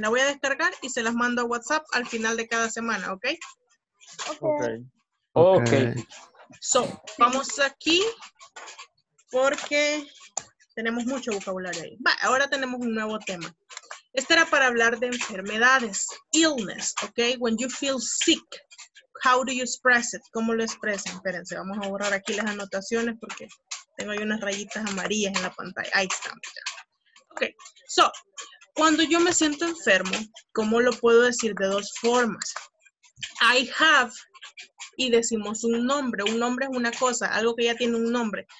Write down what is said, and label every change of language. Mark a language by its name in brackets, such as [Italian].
[Spanish] La voy a descargar y se las mando a WhatsApp al final de cada semana, ¿ok? [English] Ok. Ok. Okay. [Spanish] So, vamos aquí porque tenemos mucho vocabulario ahí. Va, ahora tenemos un nuevo tema. Este era para hablar de enfermedades, illness, ¿ok? [English] When you feel sick, how do you express it? [Spanish] ¿Cómo lo expresan? Espérense, vamos a borrar aquí las anotaciones porque tengo ahí unas rayitas amarillas en la pantalla. Ahí está. Ok, so, cuando yo me siento enfermo, ¿cómo lo puedo decir? De dos formas. [English] I have, [Spanish] y decimos un nombre. Un nombre es una cosa, algo que ya tiene un nombre.